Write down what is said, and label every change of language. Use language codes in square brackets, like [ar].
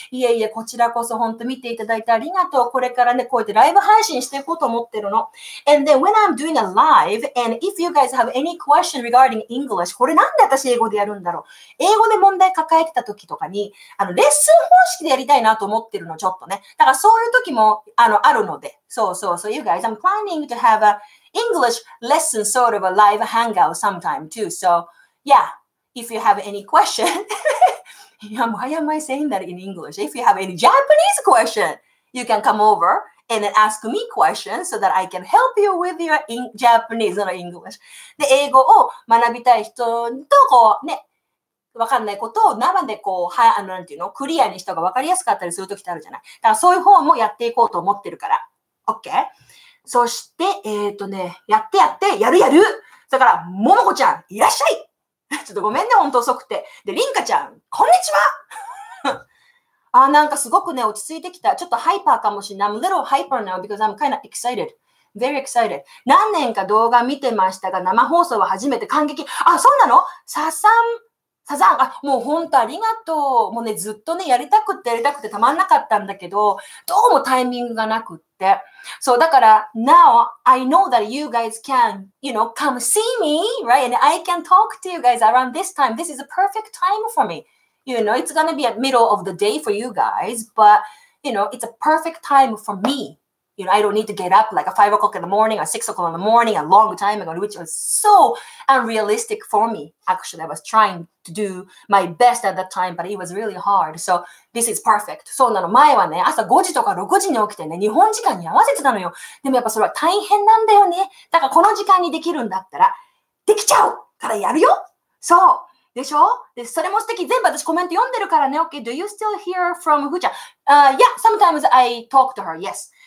[ja] いえいえ、こちらこそ本当見ていただいてありがとう。これからね、こうやってライブ配信していこうと思ってるの。 [en] And then, when I'm doing a live, and if you guys have any question regarding English, [ja] これなんで私英語でやるんだろう。英語で問題抱えてた時とかに、レッスン方式でやりたいなと思ってるの、ちょっとね。だからそういう時も、あるので。 [en] そうそうそう。You guys, I'm planning to have aEnglish lesson sort of a live hangout sometime too. So, yeah, if you have any question, why am I saying that in English? If you have any Japanese question, you can come over and ask me questions so that I can help you with your Japanese, not English. [ja] で、英語を学びたい人とこうね、わかんないことを生でこう、なんていうの、クリアにした方がわかりやすかったりするときってあるじゃない。だからそういう方もやっていこうと思ってるから。 [en] OK? [ja] そして、やってやって、やるやる。だから、ももこちゃん、いらっしゃい。ちょっとごめんね、本当遅くて。で、りんかちゃん、こんにちは。あ、なんかすごくね、落ち着いてきた。ちょっとハイパーかもしれない。 [en] I'm a little hyper now because I'm kind of excited. Very excited. [ja] 何年か動画見てましたが、生放送は初めて感激。あ、そうなの？サザン、あ、もう本当ありがとう。もうね、ずっとね、やりたくてたまんなかったんだけど、どうもタイミングがなくって。 [en] そう、だから、now I know that you guys can, you know, come see me, right? And I can talk to you guys around this time. This is a perfect time for me. You know, it's gonna be a middle of the day for you guys, but, you know, it's a perfect time for me. You know, I don't need to get up like at 5 o'clock in the morning or 6 o'clock in the morning a long time ago, which was so unrealistic for me. Actually, I was trying to do my best at that time, but it was really hard. So this is perfect. そうなの。 [ja] 前はね、朝5時とか6時に起きてね、日本時間に合わせてたのよ。でもやっぱそれは大変なんだよね。だからこの時間にできるんだったら、できちゃうからやるよ。そう。でしょ？で、それも素敵。全部私コメント読んでるからね。 [en] OK。 Do you still hear from ふーちゃん？Yeah, sometimes I talk to her. Yes.